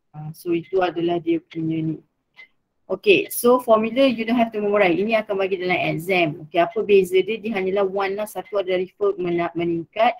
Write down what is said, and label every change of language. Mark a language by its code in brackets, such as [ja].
[ms] So itu adalah dia punya ni. [en] Okay, so formula you don't have to memorize. [ms] Ini akan bagi dalam exam. Okay, apa beza dia? Dia hanyalah one lah. Satu adalah reflow meningkat.